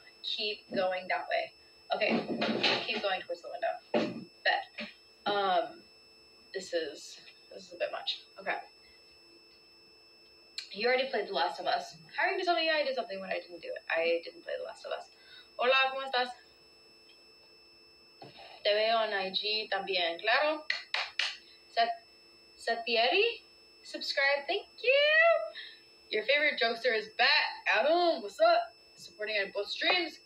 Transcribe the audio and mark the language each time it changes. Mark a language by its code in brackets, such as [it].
[en] Keep going that way. Okay. Keep going towards the window. Bet. This is a bit much. Okay. You already played The Last of Us. How are you going to tell me I did something when I didn't do it? I didn't play The Last of Us. [es] Hola, ¿cómo estás? Te veo en IG también, claro. [en] Setieri? Subscribe, thank you. Your favorite jokester is back. Adam, what's up? Supporting on both streams.